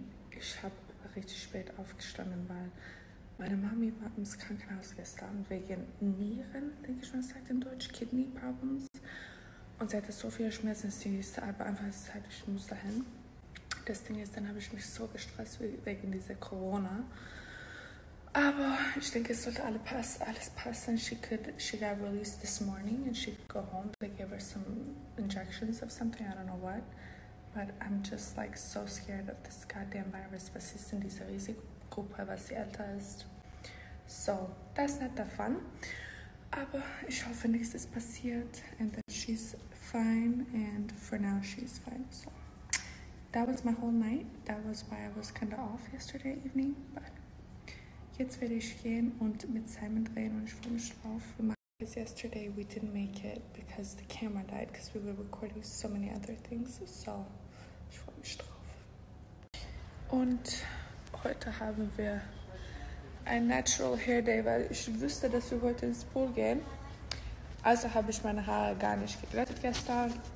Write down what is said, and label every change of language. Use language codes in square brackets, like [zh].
[de] Ich habe richtig spät aufgestanden, weil meine Mami war ins Krankenhaus gestern wegen Nieren, denke ich, man sagt in Deutsch, [en] Kidney Problems. [de] Und sie hatte so viele Schmerzen, sie musste aber einfach Zeit, ich muss dahin. Das Ding ist, dann habe ich mich so gestresst wegen dieser Corona. Aber ich denke, es sollte alles passen. [en] She got released this morning and she could go home. They gave her some injections of something, I don't know what. But I'm just like so scared of this goddamn virus. [de] Was ist in dieser Risikogruppe, was sie älter ist? [en] So, that's not the fun. [de] Aber ich hoffe, nichts ist passiert. [en] And that she's fine. And for now, she's fine. So, that was my whole night. That was why I was kind of off yesterday evening. [de] But jetzt werde ich gehen und mit Simon drehen und ich freue mich drauf. [en] Because yesterday we didn't make it because the camera died because we were recording so many other things. [de] So, ich freue mich drauf. Und heute haben wir ein Natural Hair Day, weil ich wusste, dass wir heute ins Pool gehen. Also habe ich meine Haare gar nicht geglättet gestern.